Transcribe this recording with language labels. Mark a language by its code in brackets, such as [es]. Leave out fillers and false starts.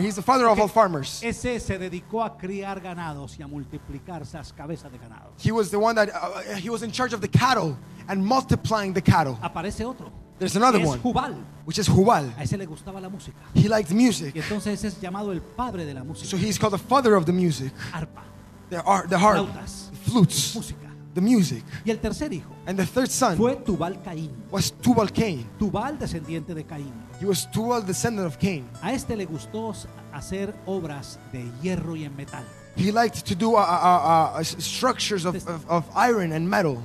[en] He's the father of all farmers. [es] Ese se dedicó a criar ganados y a multiplicar esas cabezas de ganado. [en] He was the one that he was in charge of the cattle and multiplying the cattle. [es] Aparece otro. [en] There's another one. Jubal. Which is Jubal. [es] A ese le gustaba la música. [en] He liked music. [es] Y entonces ese es llamado el padre de la música. [en] So he's called the father of the music. [es] Arpa. [en] The harp. [es] Flautas. [en] Flutes. [es] Música. [en] The music. [es] Y el tercer hijo. [en] And the third son. [es] Fue Tubal Caín. [en] Was Tubal Cain. [es] Tubal descendiente de Caín. [en] He was Tubal descendant of Cain. [es] A este le gustó hacer obras de hierro y en metal. [en] He liked to do structures of iron and metal.